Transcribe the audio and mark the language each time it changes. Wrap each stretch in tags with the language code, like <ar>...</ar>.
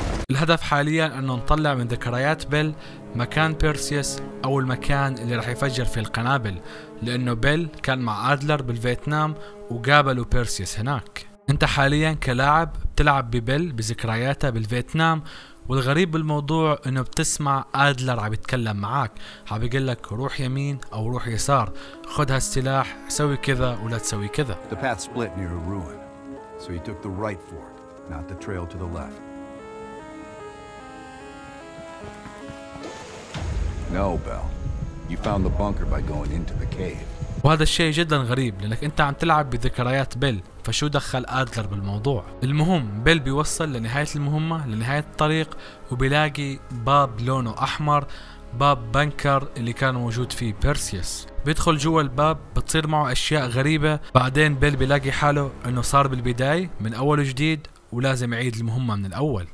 <ar>الهدف حاليا انه نطلع من ذكريات بيل مكان بيرسيوس او المكان اللي راح يفجر فيه القنابل، لانه بيل كان مع ادلر بالفيتنام وقابلوا بيرسيوس هناك. انت حاليا كلاعب بتلعب ببيل بذكرياته بالفيتنام، والغريب بالموضوع انه بتسمع ادلر عم يتكلم معك عم بيقول لك روح يمين او روح يسار، خذ هالسلاح، سوي كذا ولا تسوي كذا.</ar> <en>The path split near a ruin, so he took the right fork, not the trail to the left. No, Bell. You found the bunker by going into the cave.</en> <ar>وهذا الشيء جدا غريب لأنك أنت عم تلعب بذكريات بيل، فشو دخل آدلر بالموضوع؟ المهم بيل بيوصل لنهاية المهمة، لنهاية الطريق، وبيلاقي باب لونه أحمر، باب بنكر اللي كان موجود فيه بيرسيوس. بيدخل جوا الباب، بتصير معه أشياء غريبة. بعدين بيل بيلاقي حاله إنه صار بالبداية من أول وجديد، ولازم يعيد المهمة من الأول.</ar>